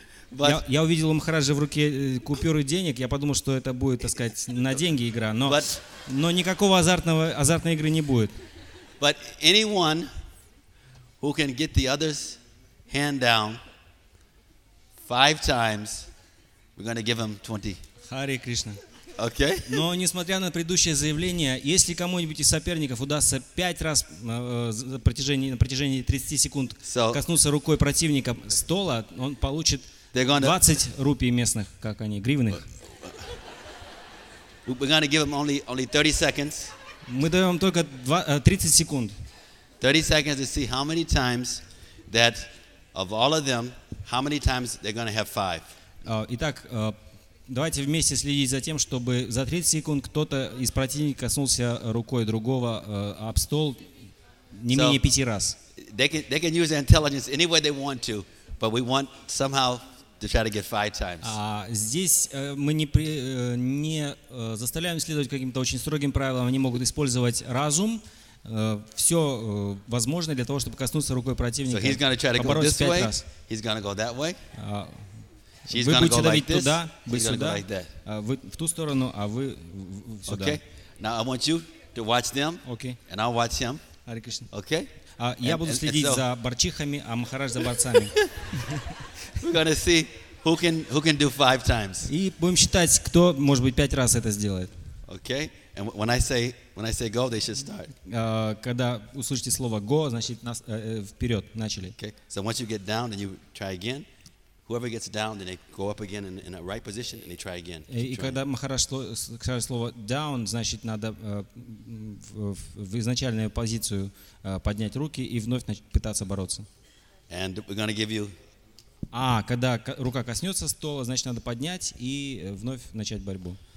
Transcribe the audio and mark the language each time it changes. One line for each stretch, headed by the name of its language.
Russian: But я увидел у Махараджа в руке купюры денег, я подумал, что это будет, так сказать, на деньги игра, но никакого азартной игры не будет.
English: But anyone who can get the other's hand down five times, we're going to give him 20.
Russian: Харе Кришна.
English: Okay.
Russian: Но несмотря на предыдущее заявление, если кому-нибудь из соперников удастся пять раз на протяжении 30 секунд коснуться рукой противника стола, он получит 20 рупий местных, как они, гривенных.
English: We're going to give him only 30 seconds.
Russian: Мы даем вам только 30 секунд.
English: 30 seconds to see how many times that of all of them, how many times they're going to have five.
Russian: Итак, давайте вместе следить за тем, чтобы за 30 секунд кто-то из противника коснулся рукой другого об стол не менее 5 раз.
English: They can use their intelligence any way they want to, but we want somehow to try to get five times.
Russian: Здесь мы не заставляем следовать каким-то очень строгим правилам. Они могут использовать разум. Все возможное для того, чтобы коснуться рукой противника.
English: So he's going to try to go this way. He's going to go that way. She's going to go like this.
Russian: Туда, вы сюда,
English: go like that.
Russian: Вы в ту сторону, а вы сюда.
English: Okay. Now I want you to watch them. Okay. And I'll watch him. Hare Krishna. Okay.
Russian: Я буду следить за барчихами, а Махарадж за борцами.
English: We're going to see who can do five times.
Russian: И будем считать, кто, может быть, пять раз это сделает.
English: Okay. And when I say go, they should start.
Russian: Когда услышите слово go, значит, вперед, начали.
English: Okay. So once you get down, then you try again. Whoever gets down, then they go up again in the right position, and they try again.
Russian: И когда Махарадж скажет слово down, значит, надо в изначальную позицию поднять руки и вновь пытаться бороться.
English: And we're going to give you...
Russian: Когда рука коснется стола, значит, надо поднять и вновь начать борьбу.